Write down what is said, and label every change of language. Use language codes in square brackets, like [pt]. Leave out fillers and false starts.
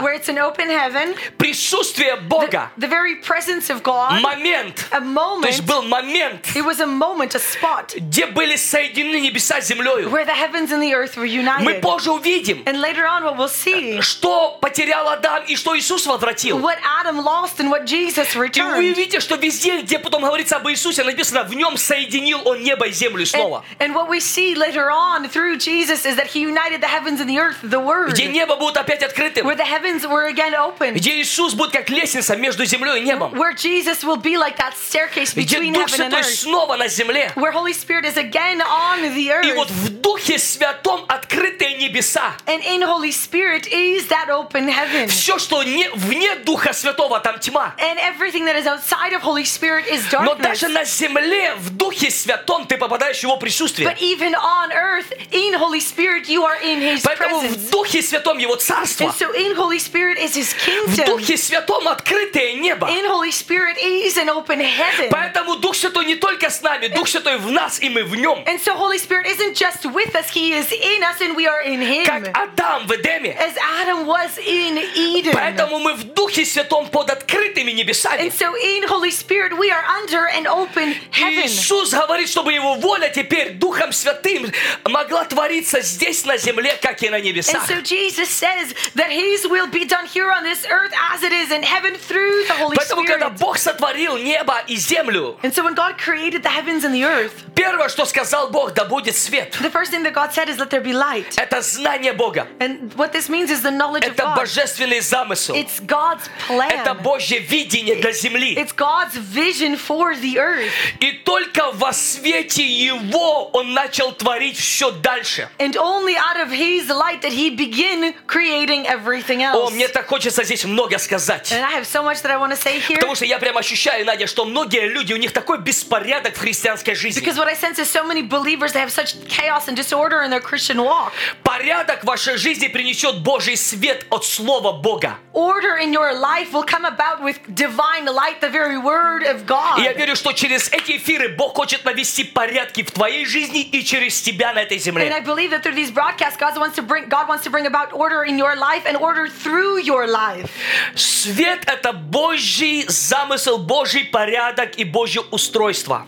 [en] where it's an open heaven. [ru] Присутствие Бога. [en] The very presence of God. [ru] Момент. [en] A moment. [ru] То есть был момент. [en] It was a moment, a spot. [ru] Где были соединены небеса с землей. [en] Where the heavens and the earth were united. [ru] Мы позже увидим. [en] And later on what we'll see. [ru] Что потерял Адам и что Иисус возвратил. [en] What Adam lost and what Jesus returned. [ru] И вы видите, что везде, где потом говорится об Иисусе, написано, в нем соединил он небо и землю, слово. [en] And what we see later on through Jesus is that he united the heavens and the earth, the word. [ru] Где небо будет опять открытым. [en] Where the heavens were again open. [ru] Где Иисус будет как лестница между землей и небом. [en] Where Jesus will be like that staircase between heaven and earth. [ru] Где Дух Святой снова на земле. [en] Where Holy Spirit is again on the earth. [ru] И вот в Духе Святом открытые небеса. [en] And in Holy Spirit is that open heaven. [ru] Все, что не вне Духа Святого, там тьма. [en] And everything that is outside of Holy Spirit is darkness. [ru] Но даже на земле, в Духе Святом, ты попадаешь в Его присутствие. [en] But even on earth, in Holy Spirit, you are in His presence. [ru] Поэтому в Духе Святом Его царство. [en] And so in Holy Spirit is His kingdom. [ru] В Духе Святом открытое небо. [en] In Holy Spirit is an open heaven. [ru] Поэтому Дух Святой не только с нами, Дух Святой в нас, и мы в Нем. [en] And so Holy Spirit isn't just with us, He is in us, and we are in Him. [ru] Как Адам в Эдеме. [en] As Adam was in Eden. [ru] Поэтому мы в Духе Святом под открытыми небесами. [en] And so in Holy Spirit we are under an open heaven. [ru] Иисус говорит, чтобы Его воля теперь Духом Святым могла твориться здесь на земле, как и на небесах. [en] And so Jesus says that His will be done here on this earth as it is in heaven through the Holy Spirit. [ru] Поэтому когда Бог сотворил небо и землю, [en] and so when God created the heavens and the earth, [ru] первое, что сказал Бог, да будет свет. [en] The first thing that God said is let there be light. [ru] Это знание Бога. [en] And what this means is the knowledge of God. [ru] Это божественный замысел. [en] It's God's plan. [ru] Это Божье видение для земли. [en] It's God's vision for the earth. [ru] И только во свете Его Он начал творить все дальше. [en] And only out of His light did He begin creating everything else. [ru] О, мне так хочется здесь много сказать. [en] And I have so much that I want to say here. [ru] Потому что я прямо ощущаю, Надя, что многие люди, у них такой беспорядок в христианской жизни. [en] Because what I sense is so many believers, they have such chaos and disorder in their Christian walk. [ru] Порядок в вашей жизни принесет Божий свет от Слова Бога. [en] Order in your life will come about with divine light, the very word of God. [ru] Я верю, что через эти эфиры Бог хочет навести порядки в твоей жизни и через тебя на этой земле. [en] And I believe that through these broadcasts, God wants to bring about order in your life and order through your life. [ru] Свет — это Божий замысел, Божий порядок и Божье устройство.